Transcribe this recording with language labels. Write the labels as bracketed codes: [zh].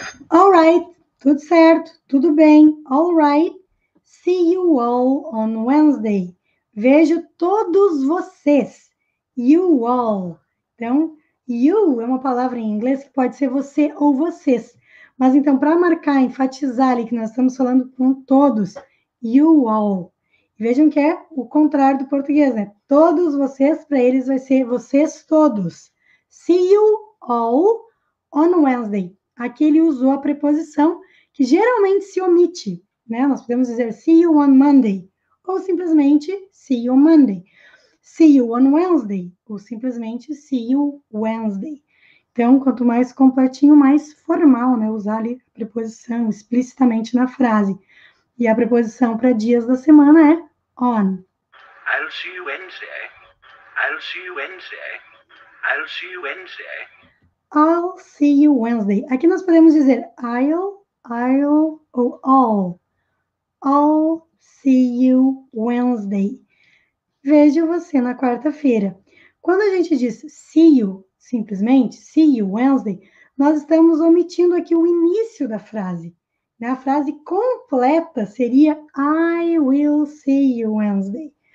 [en] All right, [pt] tudo certo, tudo bem. [en] All right, see you all on Wednesday. [pt] Vejo todos vocês. [en] You all. [pt] Então, you é uma palavra em inglês que pode ser você ou vocês. Mas então, para marcar, enfatizar ali que nós estamos falando com todos, [en] you all. [pt] Vejam que é o contrário do português, né? Todos vocês, para eles vai ser vocês todos. [en] See you all on Wednesday. [pt] Aqui ele usou a preposição que geralmente se omite, né? Nós podemos dizer [en] see you on Monday [pt] ou simplesmente [en] see you Monday. See you on Wednesday, [pt] ou simplesmente [en] see you Wednesday. [pt] Então, quanto mais completinho, mais formal, né? Usar ali a preposição explicitamente na frase. E a preposição para dias da semana é on. [en] I'll see you Wednesday. I'll see you Wednesday. I'll see you Wednesday. I'll see you Wednesday. [pt] Aqui nós podemos dizer I'll ou all. [en] I'll see you Wednesday. [pt] Vejo você na quarta-feira. Quando a gente diz [en] see you, [pt] simplesmente, [en] see you Wednesday, [pt] nós estamos omitindo aqui o início da frase. A frase completa seria [en] I will see you Wednesday.